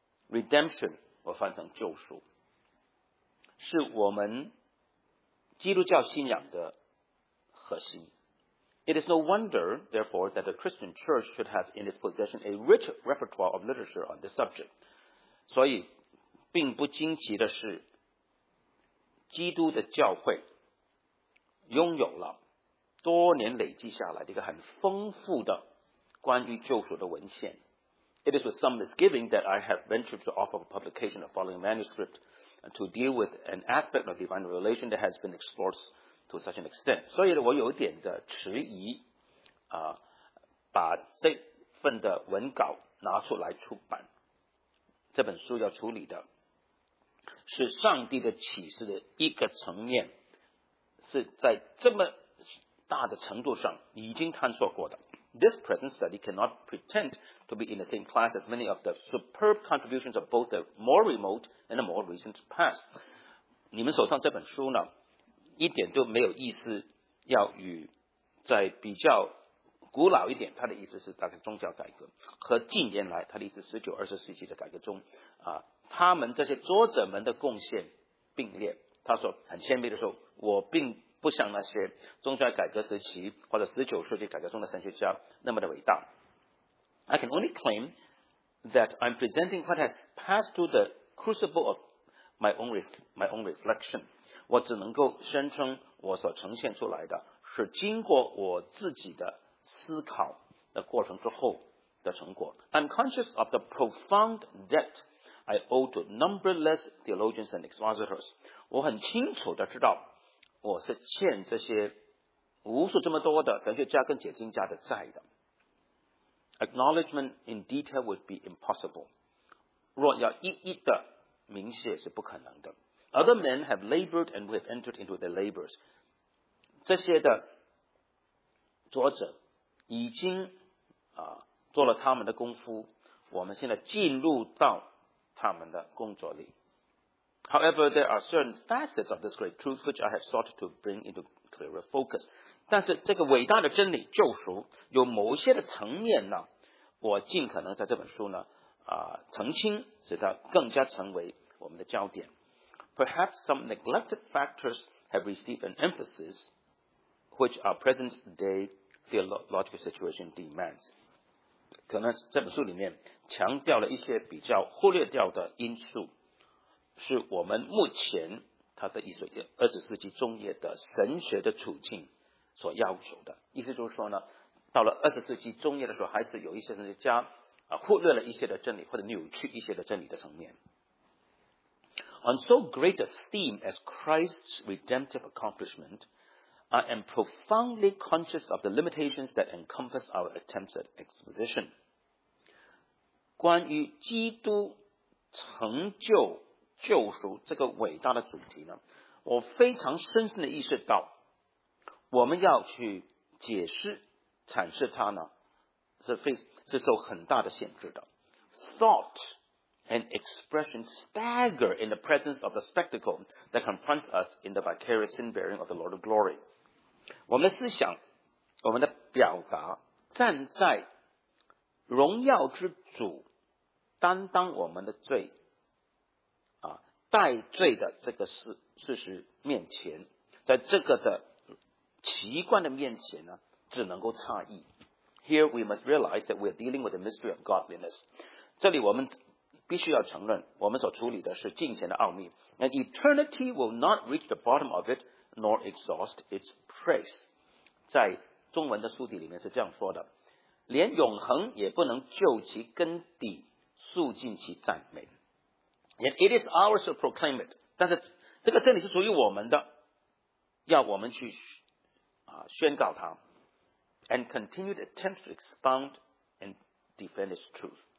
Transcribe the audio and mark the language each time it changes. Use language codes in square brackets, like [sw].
[zh] Redemption 我翻成救赎是我们基督教信仰的核心 [en] It is no wonder therefore that the Christian church should have in its possession a rich repertoire of literature on this subject [zh] 所以并不惊奇的是基督的教会拥有了多年累积下来的一个很丰富的关于救赎的文献。 [en] It is with some misgiving that I have ventured to offer a publication of the following manuscript to deal with an aspect of divine revelation that has been explored to such an extent. [zh] 所以我有点的迟疑、把这份的文稿拿出来出版。这本书要处理的是上帝的启示的一个层面，是在这么大的程度上已经探索过的。 [en] This present study cannot pretend to be in the same class as many of the superb contributions of both the more remote and the more recent past. [zh] 你们手上这本书呢，一点都没有意思要与在比较古老一点，它的意思是大概宗教改革和近年来它的意思是19、20世纪的改革中啊，他们这些作者们的贡献并列。他说很谦卑的说，我并不像那些宗教改革时期或者19世纪改革中的神学家那么的伟大。 [en] I can only claim that I'm presenting what has passed through the crucible of my own reflection. [zh] 我只能够宣称我所呈现出来的是经过我自己的思考的过程之后的成果。 [en] I'm conscious of the profound debt I owe to numberless theologians and expositors. [zh] 我很清楚的知道我是欠这些无数这么多的神学家跟解经家的债的。 [en] Acknowledgement in detail would be impossible. [zh] 若要一一的明示也是不可能的。 [en] Other men have labored and have entered into their labors. [zh] 这些的作者已经做了他们的功夫，我们现在进入到他们的工作里。 [en] However, there are certain facets of this great truth which I have sought to bring into clearer focus. [zh] 但是这个伟大的真理救赎有某些的层面呢，我尽可能在这本书呢澄清，使它更加成为我们的焦点。 [en] Perhaps some neglected factors have received an emphasis which our present day theological situation demands. [zh] 可能这本书里面强调了一些比较忽略掉的因素，是我们目前他的意思二十世纪中叶的神学的处境所要求的。意思就是说呢，到了二十世纪中叶的时候，还是有一些神学家忽略了一些的真理，或者扭曲一些的真理的层面。 [en] On so great a theme as Christ's redemptive accomplishment, I am profoundly conscious of the limitations that encompass our attempts at exposition. [zh] 关于基督成就救赎这个伟大的主题呢，我非常深深的意识到，我们要去解释、阐释它呢，是受很大的限制的。 [en] Thought and expression stagger in the presence of the spectacle that confronts us in the vicarious sin bearing of the Lord of Glory. [zh] 我们的思想、我们的表达，站在荣耀之主担当我们的罪。代罪的这个事实面前，在这个的奇观的面前呢，只能够诧异。 [en] Here we must realize that we are dealing with the mystery of godliness. [zh] 这里我们必须要承认，我们所处理的是敬虔的奥秘。 [en] And eternity will not reach the bottom of it, nor exhaust its praise. [zh] 在中文的书底里面是这样说的：连永恒也不能救其根底，肃尽其赞美。 [en] Yet it is ours to proclaim it. [zh] 但是这个真理是属于我们的，要我们去宣告它。 [en] And continued attempts to expound and defend its truth.